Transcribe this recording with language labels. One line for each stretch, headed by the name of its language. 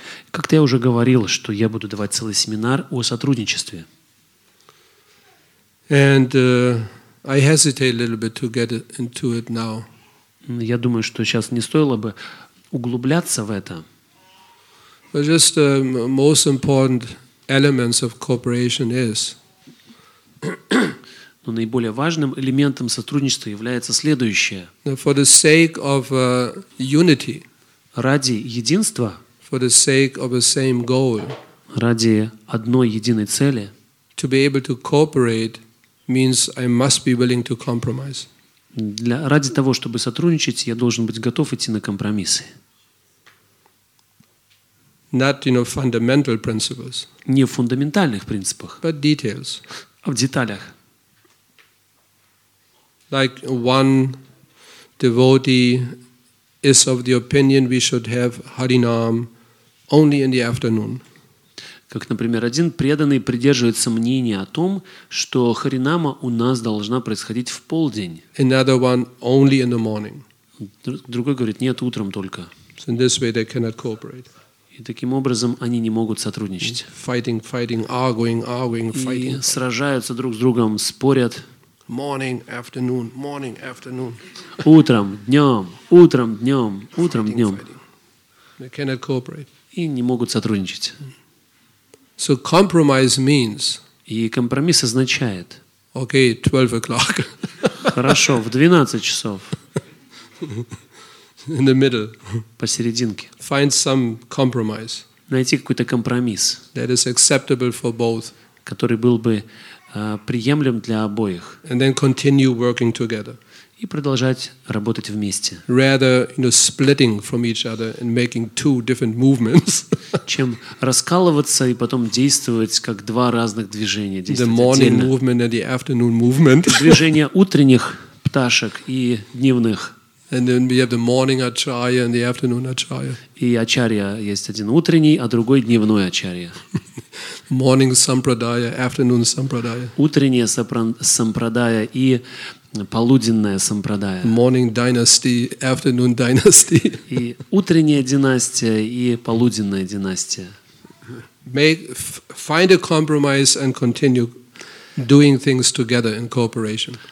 Russian: Как-то я уже говорил, что я буду давать целый семинар о сотрудничестве.
English: And I hesitate a little bit to get into it now.
Russian: Я думаю, что сейчас не стоило бы углубляться в это.
English: But just the most important elements of cooperation is.
Russian: Но наиболее важным элементом сотрудничества является следующее.
English: For the sake of unity.
Russian: Ради единства.
English: For the sake of the same goal.
Russian: Ради одной единой цели.
English: To be able to cooperate means I must be willing to compromise.
Russian: Ради того, чтобы сотрудничать, я должен быть готов идти на компромиссы.
English: Not, fundamental principles.
Russian: Не в фундаментальных принципах.
English: But details.
Russian: А в деталях.
English: Like one devotee is of the opinion we should have Harinam only in the afternoon.
Russian: Как, например, один преданный придерживается мнения о том, что Харинама у нас должна происходить в полдень.
English: Another one only in the morning.
Russian: Другой говорит, нет, утром только.
English: So in this way they cannot cooperate.
Russian: И таким образом они не могут сотрудничать.
English: Fighting, arguing.
Russian: И сражаются друг с другом, спорят.
English: Morning, afternoon.
Russian: Утром, днем.
English: They cannot cooperate.
Russian: И не могут сотрудничать.
English: So compromise means.
Russian: И компромисс означает.
English: Okay, 12 o'clock.
Russian: Хорошо, в 12 часов.
English: In the middle.
Russian: Посерединке.
English: Find some compromise.
Russian: Найти какой-то компромисс.
English: That is acceptable for both.
Russian: Который был бы приемлем для обоих.
English: And then continue working together.
Russian: И продолжать работать вместе.
English: Rather, splitting from each other and making two different movements.
Russian: Чем раскалываться и потом действовать как два разных движения.
English: The morning movement and the afternoon movement.
Russian: Движение утренних пташек и дневных.
English: And then we have the morning acharya and the afternoon acharya.
Russian: И ачарья есть один утренний, а другой дневной ачарья.
English: Morning sampradaya, afternoon sampradaya.
Russian: Утреннее сампрадая и полуденная сампрадая.
English: Morning dynasty, afternoon dynasty.
Russian: И утренняя династия, и полуденная династия.
English: Find a compromise and continue doing things together in cooperation.